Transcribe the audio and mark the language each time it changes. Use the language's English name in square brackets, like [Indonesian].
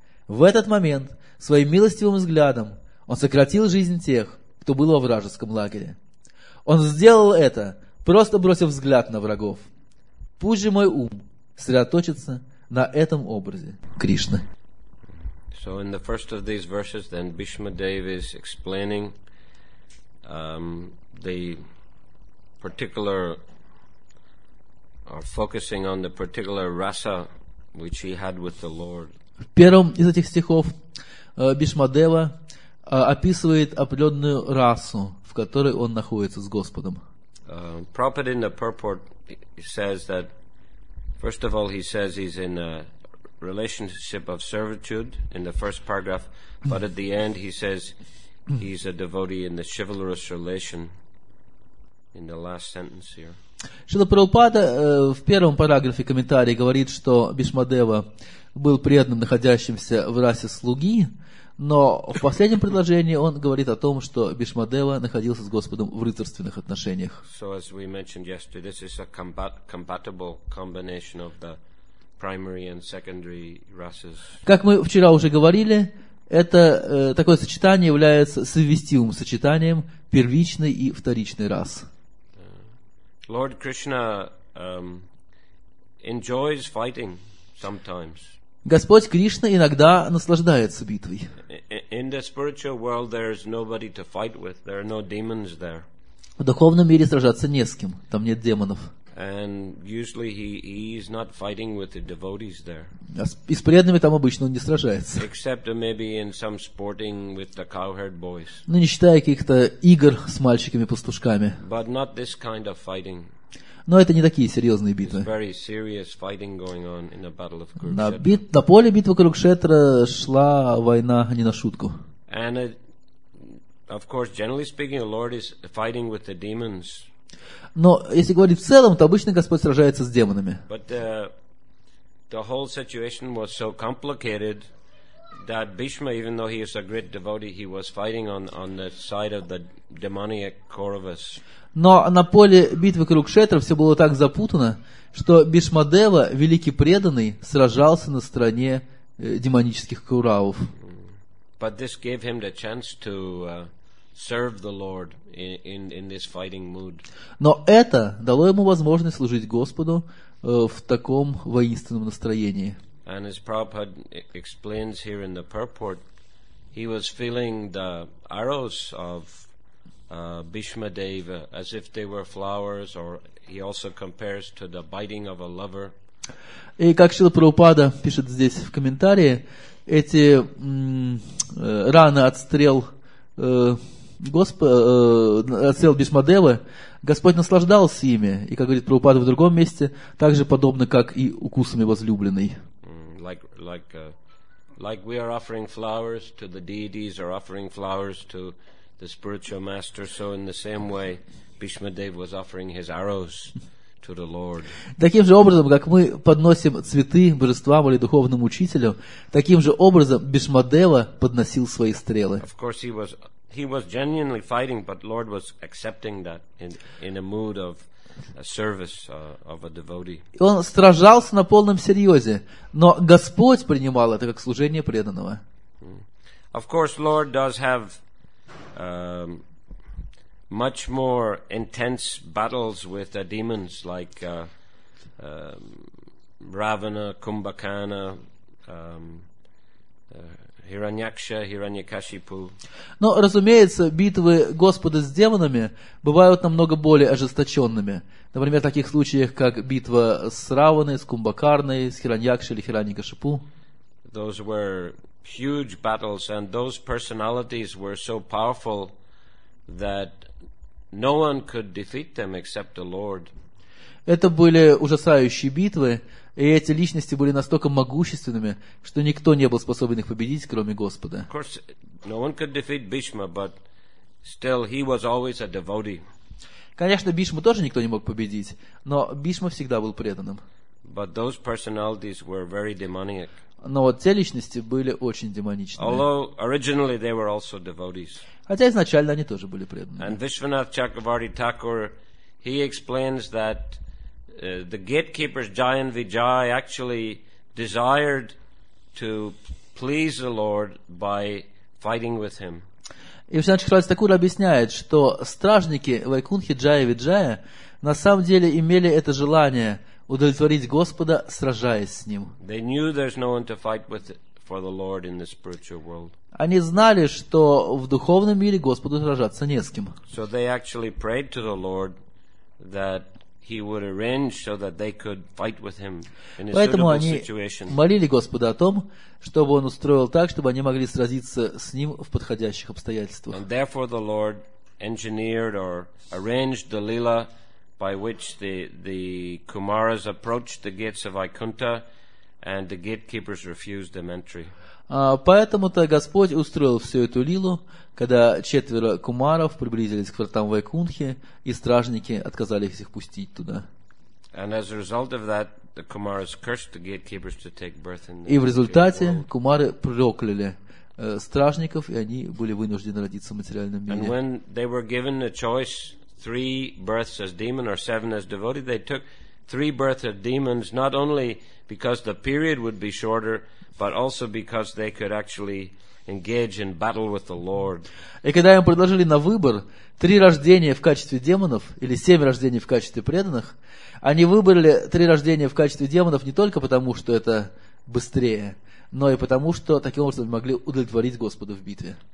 [Russian] В этот момент своим милостивым взглядом он сократил жизнь тех, кто был во вражеском лагере. Он сделал это, просто бросив взгляд на врагов. Пусть же мой ум сосредоточится на этом образе Кришны. [English] So in the first of these verses, then Bhishma Dev is explaining the particular or focusing on the particular rasa which he had with the Lord. [Russian] В первом из этих стихов Бишмадева описывает определенную расу, в которой он находится с Господом. [English] Prabhupada in the purport says that, first of all, he says he's in a relationship of servitude in the first paragraph, but at the end he says he's a devotee in the chivalrous relation in the last sentence here. [Russian] Шрила Прабхупада в первом параграфе комментария говорит, что Бишмадева был преданным, находящимся в расе слуги, но в последнем предложении он говорит о том, что Бишмадева находился с Господом в рыцарственных отношениях. [English] So as we mentioned yesterday, this is a compatible combination of the primary and secondary rasas. [Russian] Как мы вчера уже говорили, это такое сочетание является совместимым сочетанием первичной и вторичной рас. [English] Lord Krishna enjoys fighting sometimes. [Russian] Господь Кришна иногда наслаждается битвой. [English] In the spiritual world there is nobody to fight with. There are no demons there. [Russian] В духовном мире сражаться не с кем. Там нет демонов. [English] And usually he is not fighting with the devotees there. [Russian] И с преданными там обычно он не сражается. [English] Except maybe in some sporting with the cowherd boys. [Russian] Ну, не считая каких-то игр с мальчиками-пастушками. [English] But not this kind of fighting. [Russian] Но это не такие серьезные битвы. [English] Very serious fighting going on in the battle of Kurukshetra. [Russian] На поле битвы Курукшетра шла война не на шутку. [English] And it, of course, generally speaking, the Lord is fighting with the demons. [Russian] Но если говорить в целом, то обычно Господь сражается с демонами. [English] But the whole situation was so complicated that Bhishma, even though he is a great devotee, he was fighting on the side of the demoniac Kauravas. [Russian] Но на поле битвы Курукшетра все было так запутано, что Бишмадева, великий преданный, сражался на стороне демонических Кауравов. [English] But this gave him the chance to serve the Lord in this fighting mood. [Russian] Но это дало ему возможность служить Господу в таком воинственном настроении. [English] And as Prabhupada explains here in the purport, he was feeling the arrows of Bhishma Deva as if they were flowers, or he also compares to the biting of a lover. [Russian] И как Шрила Прабхупада пишет здесь в комментарии, эти раны от стрел отсел Бишмадевы, Господь наслаждался ими, и, как говорит Прабхупада в другом месте, так же подобно, как и укусами возлюбленной. [English] Like we are offering flowers to the deities or offering flowers to the spiritual master, so in the same way Bishmadev was offering his arrows to the Lord. [Russian] Таким же образом, как мы подносим цветы божествам или духовному учителю, таким же образом Бишмадева подносил свои стрелы. [English] Of course he was genuinely fighting, but Lord was accepting that in a mood of a service of a devotee. [Russian] И он сражался на полном серьезе, но Господь принимал это как служение преданного. [English] Of course Lord does have much more intense battles with the demons like Ravana, Kumbhakarna, Hiranyaksha, Hiranyakashipu. [Russian] Но, разумеется, битвы Господа с демонами бывают намного более ожесточенными. Например, в таких случаях, как битва с Раваной, с Кумбхакарной, с Хираньякшей или Хираньякашипу. [English] Those were huge battles, and those personalities were so powerful that no one could defeat them except the Lord. [Russian] Это были ужасающие битвы, и эти личности были настолько могущественными, что никто не был способен их победить, кроме Господа. [English] Of course, no one could defeat Bhishma, but still he was always a devotee. [Russian] Конечно, Бишму тоже никто не мог победить, но Бишма всегда был преданным. [English] But those personalities were very demoniac. [Russian] Но вот те личности были очень демоничные. [English] Although originally they were also devotees. [Russian] Хотя изначально они тоже были преданными. [English] And Vishwanath Chakravarti Thakur, he explains that the gatekeepers Jayan Vijay actually desired to please the Lord by fighting with him. [Russian] И Вишванат Чакраварти Такур объясняет, что стражники Вайкунхи Джая Виджая на самом деле имели это желание удовлетворить Господа, сражаясь с Ним. [English] They knew there's no one to fight with for the Lord in the spiritual world. [Russian] Они знали, что в духовном мире Господу сражаться не с кем. [English] So they actually prayed to the Lord that he would arrange so that they could fight with him in a [Russian] Поэтому они [English] situation. [Russian] Молили Господа о том, чтобы он устроил так, чтобы они могли сразиться с ним в подходящих обстоятельствах. [English] And therefore the Lord engineered or arranged the lila by which the Kumaras approached the gates of Vaikuntha and the gatekeepers refused them entry. [Russian] Поэтому-то Господь устроил всю эту лилу, когда четверо кумаров приблизились к вратам Вайкунхи, и стражники отказались их пустить туда. [English] And as a result of that, the Kumaras cursed the gatekeepers to take birth in the [Russian] И в результате кумары прокляли стражников, и они были вынуждены родиться в материальном мире. [English] And when they were given a choice, three births as demon or seven as devotee, they took three births as demons, not only because the period would be shorter, but also because they could actually engage in battle with the Lord. [Russian] И когда им предложили на выбор три рождения в качестве демонов или семь рождений в качестве преданных, они выбрали три рождения в качестве демонов не только потому, что это быстрее, но и потому, что таким образом могли удовлетворить Господа в битве.